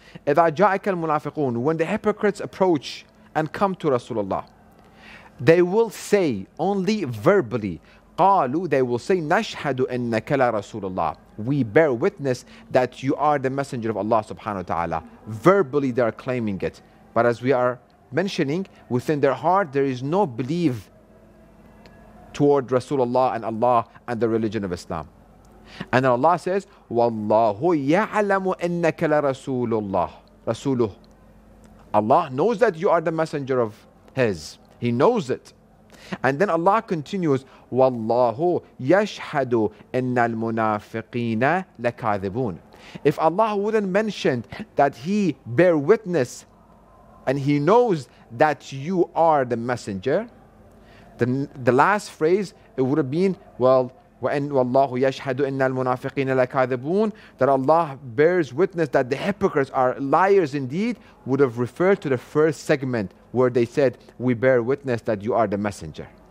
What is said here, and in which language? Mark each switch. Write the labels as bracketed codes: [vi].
[ar] إِذَا جَاءَكَ الْمُنَافِقُونَ, [en] when the hypocrites approach and come to Rasulullah, they will say only verbally, [ar] قَالُوا, [en] they will say, [ar] نَشْهَدُ إِنَّكَ لَرَسُولُ اللَّهِ, [en] we bear witness that you are the messenger of Allah subhanahu wa ta'ala. Verbally they are claiming it. But as we are mentioning, within their heart there is no belief toward Rasulullah and Allah and the religion of Islam. And then Allah says, [ar] وَاللَّهُ يَعْلَمُ إِنَّكَ لَرَسُولُ اللَّهِ رَسُولُهُ. [en] Allah knows that you are the messenger of His. He knows it. And then Allah continues, [ar] وَاللَّهُ يَشْهَدُ إِنَّ الْمُنَافِقِينَ لَكَاذِبُونَ. [en] If Allah wouldn't mention that He bear witness and He knows that you are the messenger, then the last phrase, it would have been, well, [ar] وَاللَّهُ يَشْهَدُ إِنَّ الْمُنَافِقِينَ لَكَاذِبُونَ, [en] that Allah bears witness that the hypocrites are liars indeed, would have referred to the first segment where they said, we bear witness that you are the messenger.